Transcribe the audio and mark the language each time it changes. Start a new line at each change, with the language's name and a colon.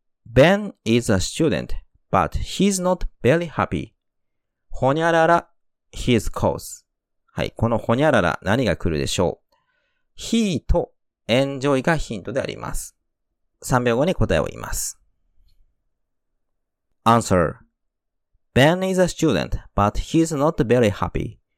English: Ben is a student, but he's not very happy. ほにゃらら his course。
Japanese: はい、このほにゃらら何が来るでしょう。he とエンジョイがヒントであります。 3秒後に答えを言います。
English: Answer. Ben is a student, but he's not very happy.